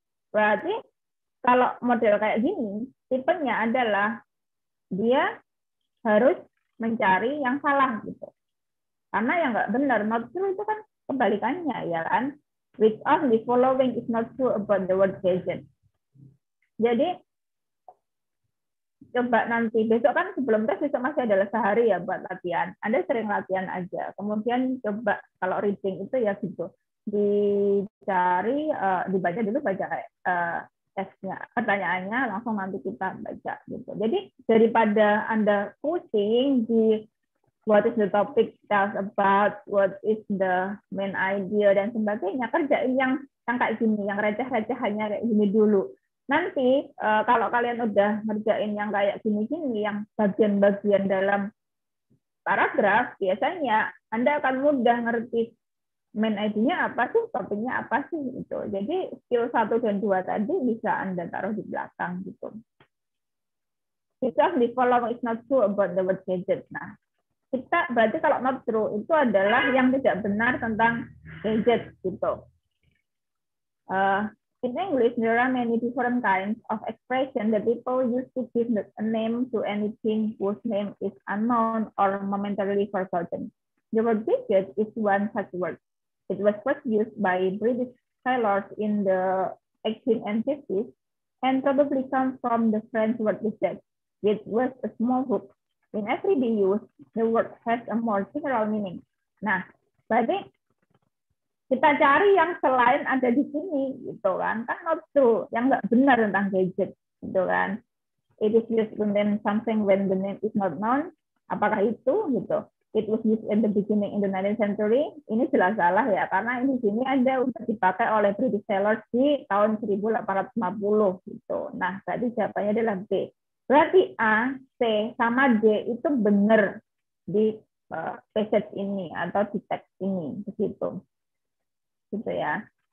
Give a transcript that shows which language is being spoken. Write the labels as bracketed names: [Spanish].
[Indonesian] Berarti kalau model kayak gini, tipenya adalah dia harus mencari yang salah gitu. Karena yang nggak benar, [English] not true [Indonesian] itu kan kebalikannya, ya kan? [English] Which of the following is not true about the word pageant? [Indonesian] Jadi, coba nanti, besok kan sebelum tes, besok masih adalah sehari ya buat latihan. Anda sering latihan aja. Kemudian coba kalau reading itu ya gitu. Dicari, dibaca dulu, baca tesnya. Pertanyaannya langsung nanti kita baca gitu. Jadi, daripada Anda pusing di [English] what is the topic tells about, what is the main idea, [Indonesian] dan sebagainya. Kerjain yang kayak gini, yang receh-recehannya kayak gini dulu. Nanti kalau kalian udah ngerjain yang kayak gini-gini, yang bagian-bagian dalam paragraf, biasanya Anda akan mudah ngerti main idea-nya apa sih, topiknya apa sih. Gitu. Jadi skill 1 dan 2 tadi bisa Anda taruh di belakang. Gitu. [English] Because the following is not true about the word gadget. [Indonesian] Nah, kita berarti kalau [English] not true [Indonesian] itu adalah yang tidak benar tentang gadget gitu. [English] In English, there are many different kinds of expression that people use to give a name to anything whose name is unknown or momentarily forgotten. The word gadget is one such word. It was first used by British sailors in the 1850s and probably comes from the French word gadget, which was a small hook. In everyday use, the word has a more general meaning. [Indonesian] Nah, berarti kita cari yang selain ada di sini, gitu kan? Kan [English] not true, [Indonesian] yang nggak benar tentang gadget, gitu kan? [English] It is used to name something when the name is not known. [Indonesian] Apakah itu, gitu? [English] It was used in the beginning in the 19th century. [Indonesian] Ini jelas salah ya, karena di sini ada udah dipakai oleh British sailors di tahun 1850, gitu. Nah, berarti jawabannya adalah B. Berarti A, C, sama D itu benar di passage ini atau di teks ini, begitu. Gitu ya.